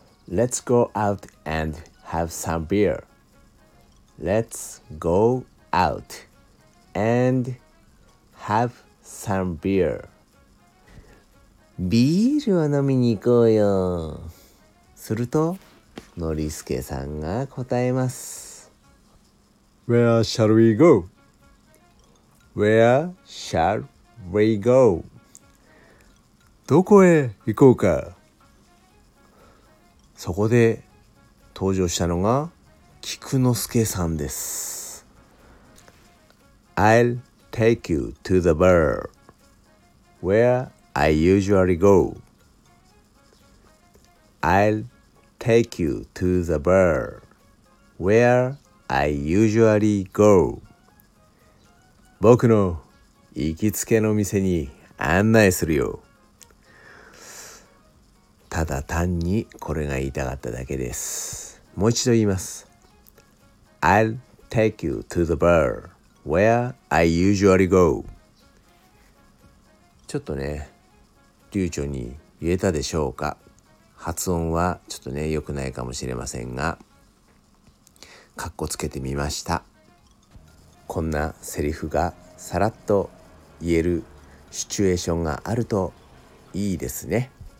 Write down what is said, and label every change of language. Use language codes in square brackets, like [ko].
[en] Let's go out and have some beer. Let's go out and have some beer. [ja] ビールを飲みに行こうよ。すると、ノリスケさんが答えます。 [en] Where shall we go? Where shall we go? [ja] どこへ行こうか。そこで登場したのが菊之助さんです。 [en] I'll take you to the bar where I usually go. I'll take you to the bar where I usually go. [ja] 僕の行きつけの店に案内するよ。ただ単にこれが言いたかっただけです。もう一度言います。 [en] I'll take you to the bar where I usually go. [ja] ちょっとね、流暢に言えたでしょうか。発音はちょっとね、良くないかもしれませんが、カッコつけてみました。こんなセリフがさらっと言えるシチュエーションがあるといいですね。